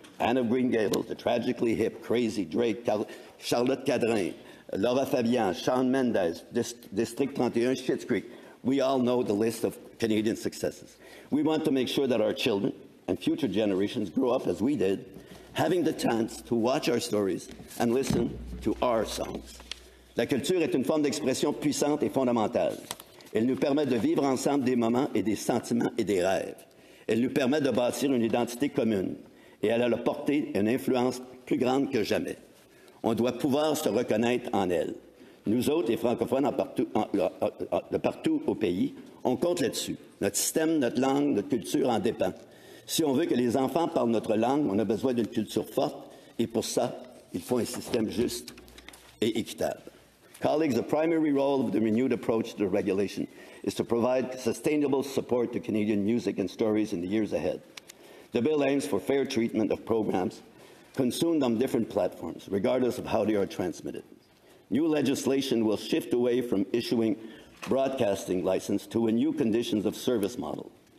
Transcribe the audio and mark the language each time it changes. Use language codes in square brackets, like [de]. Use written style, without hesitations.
[en] Anne of Green Gables, the tragically hip, crazy Drake, Charlotte Cadrin, Laura Fabian, Shawn Mendes, District 31, Schitt's Creek. We all know the list of Canadian successes. We want to make sure that our children and future generations grow up as we did, having the chance to watch our stories and listen to our songs. [fr] La culture est une forme d'expression puissante et fondamentale. Elle nous permet de vivre ensemble des moments et des sentiments et des rêves. Elle nous permet de bâtir une identité commune et elle a la portée et une influence plus grande que jamais. On doit pouvoir se reconnaître en elle. Nous autres, les francophones de partout au pays, on compte là-dessus. Notre système, notre langue, notre culture en dépend. Si on veut que les enfants parlent notre langue, on a besoin d'une culture forte et pour ça, il faut un système juste et équitable. [en] Colleagues, the primary role of the renewed approach to regulation is to provide sustainable support to Canadian music and stories in the years ahead. The bill aims for fair treatment of programs consumed on different platforms, regardless of how they are transmitted. New legislation will shift away from issuing broadcasting license to a new conditions of service model.